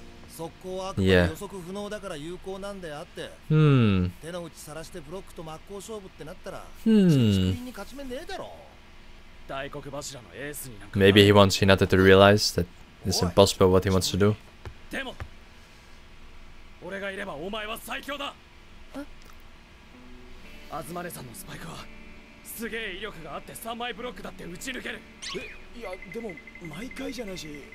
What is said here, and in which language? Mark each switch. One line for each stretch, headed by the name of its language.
Japanese: 速攻は予測不能だから有効なんであって、 yeah. hmm. 手の内さらしてブロックと真っ向勝負ってなったら、 hmm. に勝ち目ねえだろ。大黒柱のエースになんか。
English: Maybe he wants Hinata to realize that it's impossible what he wants to do.
Japanese: でも俺がいればお前は最強だ。アズマネさんのスパイクはすげえ威力があって3枚ブロックだって打ち抜ける。え、いやでも毎回じゃないし、